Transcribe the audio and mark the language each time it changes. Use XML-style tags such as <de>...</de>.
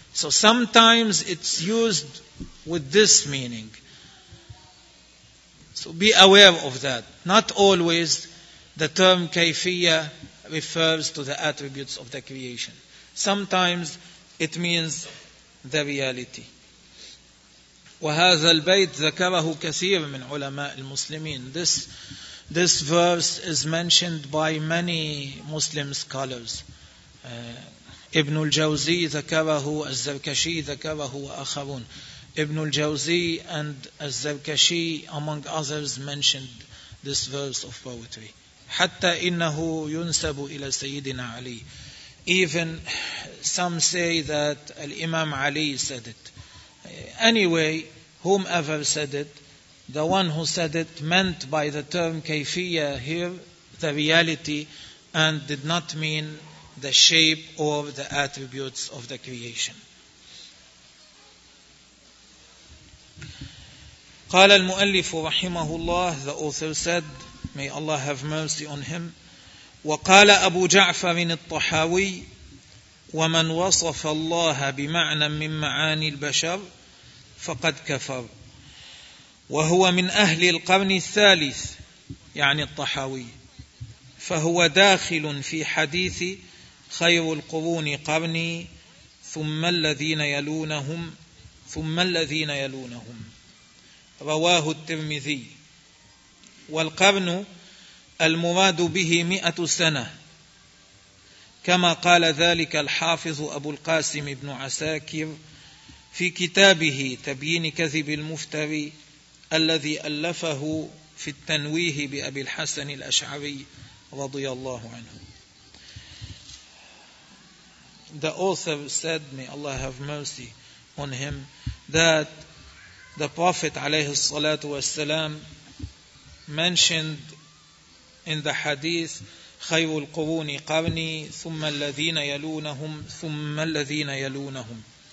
<en>So sometimes it's used with this meaning. So be aware of that. Not always the term kayfiyya refers to the attributes of the creation. Sometimes it means the reality.</en> <ar>وهذا البيت ذكره كثير من علماء المسلمين.</ar> <en>This verse is mentioned by many Muslim scholars.</en> <ar>Ibn al-Jawzi ذكره، الزركشي ذكره وآخرون.</ar> <en>Ibn al-Jawzi and al-Zarkashi, among others, mentioned this verse of poetry.</en> <ar>حتى إنه ينسب إلى سيدنا علي.</ar> <en>Even some say that Imam Ali said it. Anyway, whomever said it, the one who said it meant by the term kayfiyyah here the reality and did not mean the shape or the attributes of the creation.</en> <ar>قال المؤلف رحمه الله,</ar> <en>the author said, may Allah have mercy on him,</en> <ar>وقال أبو جعفر الطحاوي ومن وصف الله بمعنى من معاني البشر فقد كفر وهو من أهل القرن الثالث يعني الطحاوي فهو داخل في حديث خير القرون قرني ثم الذين يلونهم ثم الذين يلونهم رواه الترمذي والقرن المراد به 100 سنة كما قال ذلك الحافظ أبو القاسم بن عساكر في كتابه تبيين كذب المفتري الذي ألفه في التنويه بأبي الحسن الأشعري رضي الله عنه.</ar> <en>The author said, may Allah have mercy on him, that the Prophet عليه الصلاة والسلام mentioned in the hadith,</en> <ar>خير القرون قرني ثم الذين يلونهم ثم الذين يلونهم.</ar>